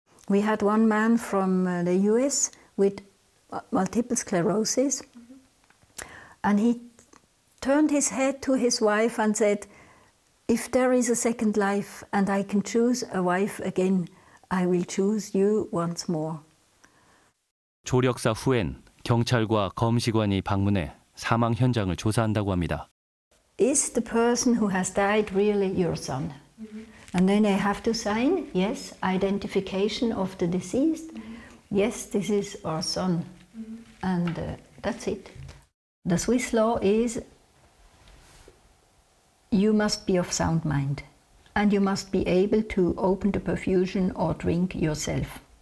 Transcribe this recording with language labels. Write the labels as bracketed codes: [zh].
[en] We had one man from the US with multiple sclerosis. Mm-hmm. And he turned his head to his wife and said, if there is a second life and I can choose a wife again, I will choose you once more. [ko] 조력사 후엔 경찰과 검시관이 방문해 사망 현장을 조사한다고 합니다. [en] Is the person who has died really your son? Mm-hmm. And then they have to sign, yes, identification of the deceased. Mm-hmm. Yes, this is our son. Mm-hmm. And that's it. The Swiss law is you must be of sound mind and you must be able to open the perfusion or drink yourself.